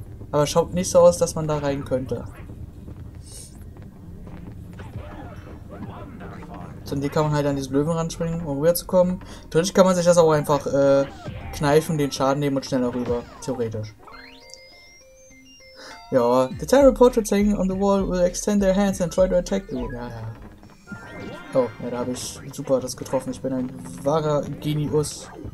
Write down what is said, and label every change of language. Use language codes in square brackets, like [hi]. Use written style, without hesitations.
[de] Aber schaut nicht so aus, dass man da rein könnte. Dann hier kann man halt an diesen Löwen ranspringen, um rüberzukommen. Theoretisch kann man sich das auch einfach kneifen, den Schaden nehmen und schneller rüber. Theoretisch. [en] Ja, the terrible portraits hanging on the wall will extend their hands and try to attack you. [de] Ja, ja. Oh, ja, da habe ich super das getroffen. Ich bin ein wahrer Genius.